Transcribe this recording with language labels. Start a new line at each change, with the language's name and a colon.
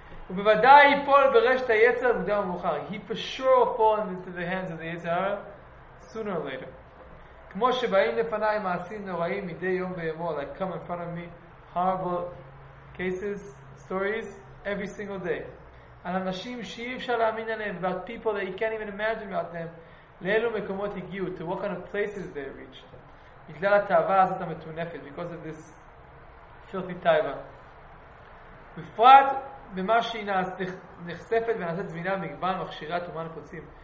Hebrew: ובוודאי ייפול ברשת היצר מוקדם או מאוחר.
English: He for sure will fall into the hands of the Yetzer sooner or later.
Hebrew: כמו שבאים לפניי מעשים נוראים מדי יום ביומו,
English: like come in front of me horrible cases, stories, every single day.
Hebrew: על אנשים שאי אפשר להאמין עליהם,
English: about people that you can't even imagine about them,
Hebrew: לאלו מקומות הגיעו,
English: to what kind of places they reached.
Hebrew: בגלל התאווה הזאת המתונפת,
English: because of this filthy taiva.
Hebrew: בפרט במה שהיא נחשפת ונעשית זמינה מגוון מכשירי התומן קוצים.